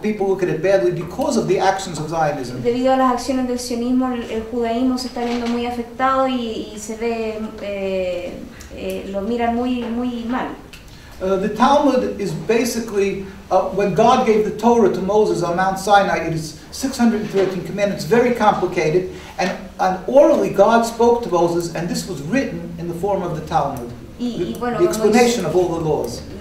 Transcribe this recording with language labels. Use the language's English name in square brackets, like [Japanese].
[English] People look at it badly because of the actions of Zionism. [Spanish] Debido a las acciones del sionismo, el judaísmo se está viendo muy afectado y se ve lo miran muy mal. [English] The Talmud is basically when God gave the Torah to Moses on Mount Sinai. It is 613 commandments, very complicated, and orally God spoke to Moses, and this was written in the form of the Talmud, the explanation of all the laws.